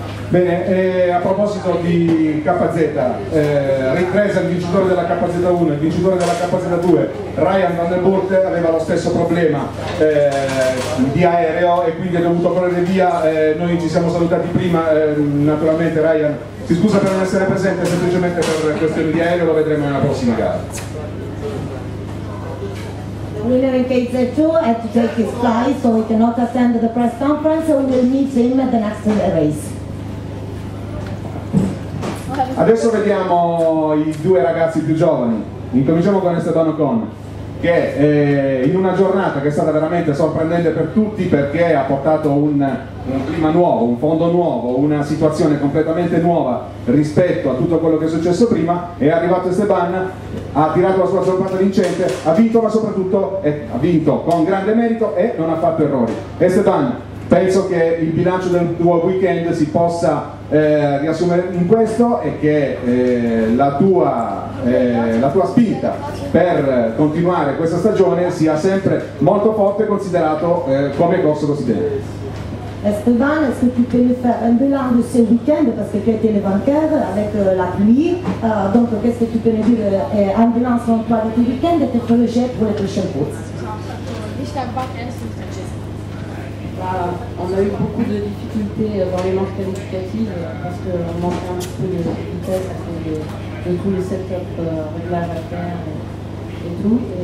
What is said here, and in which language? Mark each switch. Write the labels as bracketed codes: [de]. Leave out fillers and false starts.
[it] Bene, a proposito di KZ, Rick Reza, il vincitore della KZ1, il vincitore della KZ2, Ryan Van Der Burt aveva lo stesso problema di aereo e quindi è dovuto correre via. Noi ci siamo salutati prima, naturalmente Ryan si scusa per non essere presente, semplicemente per questioni di aereo, lo vedremo nella prossima gara. [en] The winner in KZ2 had to take his flight, so he cannot attend the press conference, so we will meet him at the next race. [it] Adesso vediamo i due ragazzi più giovani. Incominciamo con Esteban Ocon, che in una giornata che è stata veramente sorprendente per tutti, perché ha portato un clima nuovo, un fondo nuovo, una situazione completamente nuova rispetto a tutto quello che è successo prima, è arrivato Esteban, ha tirato la sua sorpresa vincente, ha vinto, ma soprattutto ha vinto con grande merito e non ha fatto errori. Esteban, penso che il bilancio del tuo weekend si possa riassumere in questo, e che la tua spinta per continuare questa stagione sia sempre molto forte, considerato come è corso così bene. [fr] Esteban, est-ce que tu peux nous faire un bilan de ce week-end, parce que tu étais le vainqueur avec la pluie, donc qu'est-ce que tu peux nous dire un bilan sur toi de ce week-end et tes projets pour les prochaines courses? Bah, on a eu beaucoup de difficultés dans les manches qualificatives parce qu'on manquait un petit peu de vitesse à cause de tout le setup réglage à terre et tout.